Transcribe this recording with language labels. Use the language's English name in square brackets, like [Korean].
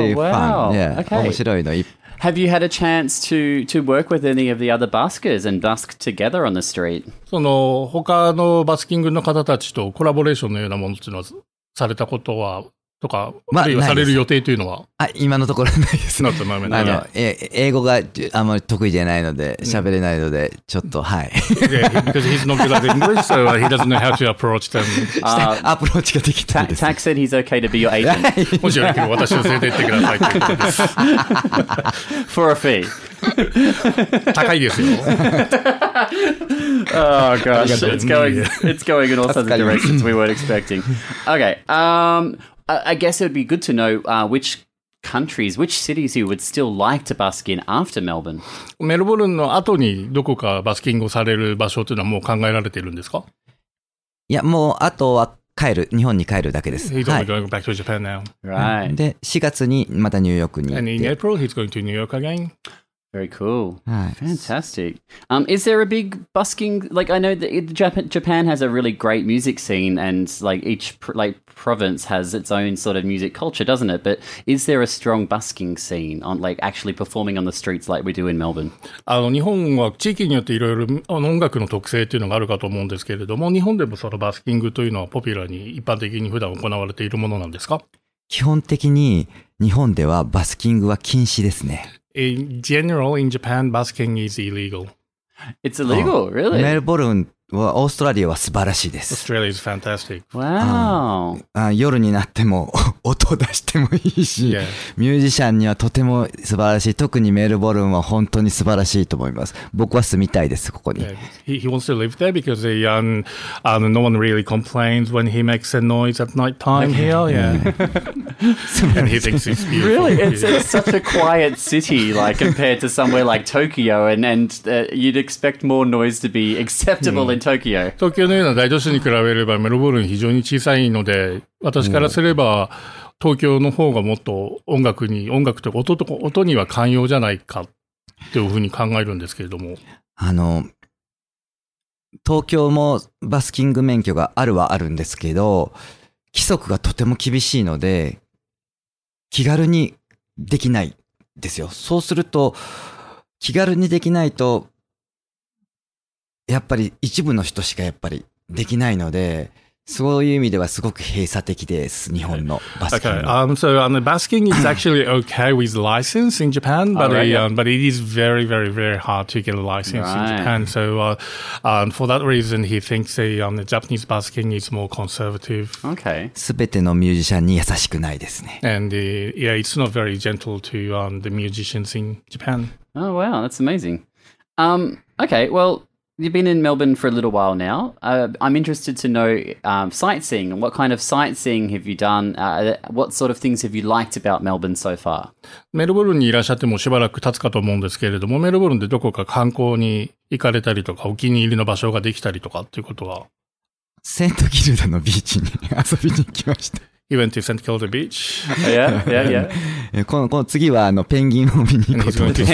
[English] Have you had a chance to work with any of the other buskers and busk together on the street? [Japanese] その他のバスキングの方たちとコラボレーションのようなものっていうのはされたことはとか、まあ、あるいはされる予定というのは、あ、今のところないです。なんとまめな。英語があんまり得意じゃないので、喋れないので、ちょっとはい。 [English] Yeah, because he's not good at English, so he doesn't know how to approach them. [Japanese] アプローチができないです。 [English] Tak said he's okay to be your agent. [Japanese] もしよければ私を連れて行ってください。 [English] For a fee. [Japanese] 高いですよ。 [English] Oh gosh, it's going in all sorts of directions we weren't expecting. Okay, I guess it would be good to know which countries, which cities you would still like to busk in after Melbourne. [Japanese] メルボルンの後にどこかバスキングをされる場所というのはもう考えられているんですか？いや、もうあとは帰る、日本に帰るだけです。 [English] He's only going back to Japan now. Right. [Japanese] で、4月にまたニューヨークに行って。 [English] And in April, he's going to New York again. Very cool. Fantastic. Is there a big busking? Like, I know that Japan has a really great music scene, and like each province has its own sort of music culture, doesn't it? But is there a strong busking scene on like actually performing on the streets like we do in Melbourne? [Japanese] 日本は地域によっていろいろ音楽の特性というのがあるかと思うんですけれども、日本でもそのバスキングというのはポピュラーに一般的に普段行われているものなんですか？基本的に日本ではバスキングは禁止ですね。 [English] In general, in Japan, busking is illegal. It's illegal, really? [Japanese] Melbourne は、オーストラリアは素晴らしいです。 [English] Australia is fantastic. Wow! [Japanese] 夜になっても音出してもいいし、yeah. ミュージシャンにはとても素晴らしい。特にメルボルンは本当に素晴らしいと思います。僕は住みたいです、ここに。 [English] Yeah. He wants to live there because they, no one really complains when he makes a noise at night time here. Yeah. And he thinks it's beautiful. Really? It's such a quiet city, like, compared to somewhere like Tokyo, and you'd expect more noise to be acceptable in Tokyo. [Japanese] 東京のような大都市に比べれば、メルボルン非常に小さいので、私からすれば、東京の方がもっと音楽とか音には寛容じゃないか、というふうに考えるんですけれども。東京もバスキング免許があるはあるんですけど、規則がとても厳しいので、気軽にできないですよ。そうすると、気軽にできないと、やっぱり一部の人しかやっぱりできないので、そういう意味ではすごく閉鎖的です、日本のバスキング。 [English] Okay. So, basking is actually okay with license in Japan, but,、 right. But it is very, very, very hard to get a license、 right. in Japan. So, for that reason, he thinks the Japanese basking is more conservative. Okay. [Japanese] すべてのミュージシャンに優しくないですね。 [English] And, yeah, it's not very gentle to, the musicians in Japan. Oh, wow, that's amazing. Okay, well,You've been in Melbourne for a little while now. I'm interested to know sightseeing. What kind of sightseeing have you done? What sort of things have you liked about Melbourne so far? [Japanese] メルボルンにいらっしゃってもしばらく経つかと思うんですけれども、メルボルンでどこか観光に行かれたりとか、お気に入りの場所ができたりとかっていうことは？セントキルダのビーチに遊びに行きました。 [English] He went to St. Kilda Beach. Yeah, yeah, yeah. [Japanese] この次はペンギンを見に行こうと